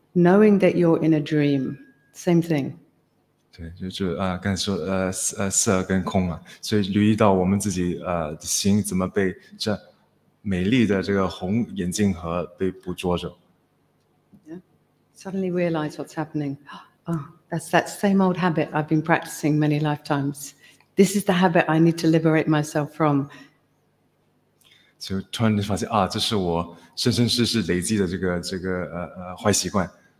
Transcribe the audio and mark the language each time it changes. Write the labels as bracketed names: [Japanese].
[English] Knowing that you're in a dream, same thing. [Chinese] 对，就刚才说色跟空嘛，所以留意到我们自己心怎么被这美丽的这个红眼镜盒被捕捉着。 [English] Yeah. Suddenly realize what's happening. Oh, that's that same old habit I've been practicing many lifetimes. This is the habit I need to liberate myself from. [Chinese] 就突然发现这是我生生世世累积的这个坏习惯。